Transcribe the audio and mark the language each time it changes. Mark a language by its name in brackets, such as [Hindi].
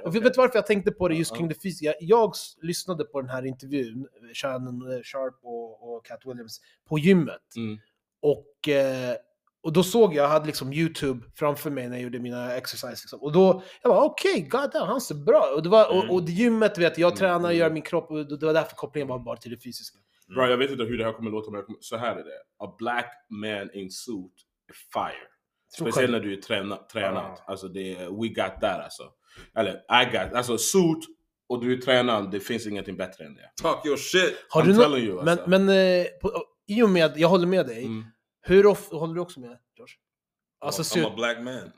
[Swedish] Och vet du varför jag tänkte på det just kring det fysiska? Jag lyssnade på den här intervjun, Shannon Sharp och Cat Williams, på gymmet. Mm. Och då såg jag hade liksom YouTube framför mig när jag gjorde mina exercises liksom. Och då jag var okej, okay, [English] god damn, [Swedish] han ser bra. Och det var och det gymmet, vet jag, tränar och gör min kropp, och det var därför kopplingen var bara till det fysiska. Bra, jag vet inte hur det här kommer att låta, men så här är det. [English] A black man in suit is fire. [Swedish] Speciellt när du är tränad. Alltså det är, [English] we got that [Swedish] alltså. Eller [English] I got, [Swedish] alltså suit och du är tränad, det finns ingenting bättre än det. [English] Talk your shit. [Swedish] Har [English] I'm [Swedish] du [English] telling you. [Swedish] Men alltså. Men i och med jag håller med dig. Mm. Hur ofta håller du också med, George? Alltså, [English] I'm a black man.